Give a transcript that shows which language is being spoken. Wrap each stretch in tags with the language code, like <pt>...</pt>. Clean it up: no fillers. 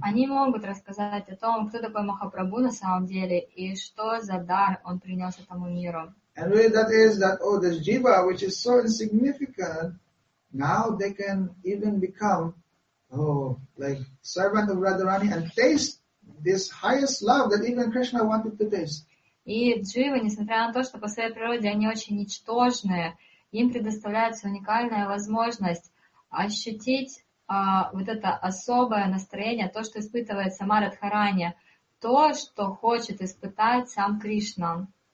<ru>Они могут рассказать о том, кто такой Махапрабху на самом деле и что за дар он принес этому миру.</ru> <en>And really that is that oh this jiva which is so insignificant. Now they can even become like servant of Radharani and taste this highest love that even Krishna wanted to taste.</en> <ru>И дживы, несмотря на то, что по своей природе они очень ничтожные, им предоставляется уникальная возможность ощутить вот это особое настроение, то, что испытывает сама Радхарани, то, что хочет испытать сам Кришна.</ru>